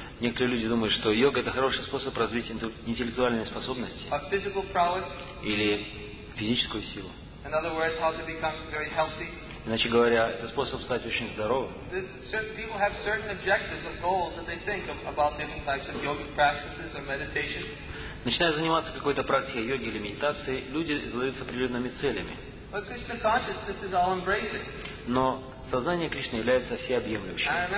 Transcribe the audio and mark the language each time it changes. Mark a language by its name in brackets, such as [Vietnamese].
[Russian] Некоторые люди думают, что йога это хороший способ развить интеллектуальные способности или физическую силу. [English] In other words, how to become very healthy. [Russian] Иначе говоря, это способ стать очень здоровым. [English] People have certain objectives and goals that they think about different types of yogic practices or meditation. [Russian] Начиная заниматься какой-то практикой йоги или медитации, люди задаются определенными целями. [English] But Krishna consciousness is all embracing. [Russian] Но сознание Кришны является всеобъемлющим.